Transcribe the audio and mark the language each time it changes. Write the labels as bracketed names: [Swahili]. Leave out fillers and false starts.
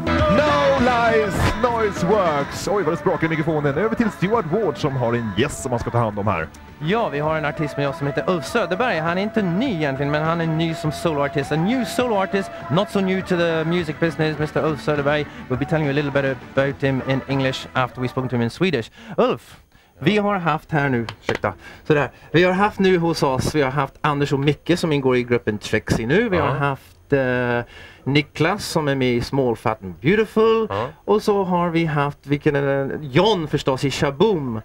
[Swedish] No Lies, Noiseworks. Oj vad det sprakar i mikrofonen. Över till Stuart Ward som har en gäst som han ska ta hand om här. Ja, vi har en artist med oss som heter Uffe Söderberg. Han är inte ny egentligen, men han är ny som soloartist. [English] A new soloartist, not so new to the music business, Mr. [Swedish] Uffe Söderberg. [English] We'll be telling you a little bit about him in English after we spoke to him in Swedish. [Swedish] Uffe, ja. Vi har haft här nu, ursäkta, sådär. Vi har haft nu hos oss, vi har haft Anders och Micke som ingår i gruppen Trixie nu. Vi har haft Niklas som är med i Small Fat and Beautiful. Och så har vi haft John förstås i Shaboom.